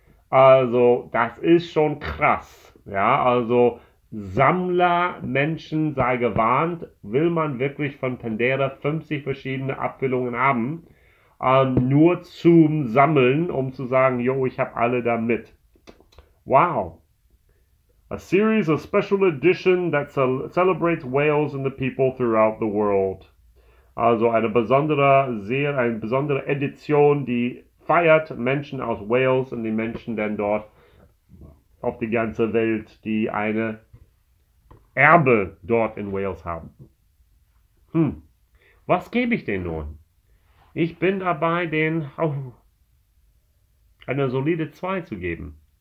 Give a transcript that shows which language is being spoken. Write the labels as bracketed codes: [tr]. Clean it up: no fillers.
[de] Also, das ist schon krass. Ja, also, Sammler, Menschen, sei gewarnt, will man wirklich von Pendera 50 verschiedene Abfüllungen haben, nur zum Sammeln, um zu sagen, jo, ich habe alle da mit. Wow. [en] A series of special edition that celebrates Wales and the people throughout the world. [de] Also eine besondere Edition, die feiert Menschen aus Wales und die Menschen denn dort auf die ganze Welt, die eine Erbe dort in Wales haben. Was gebe ich denn nun? Ich bin dabei, den eine solide 2 zu geben.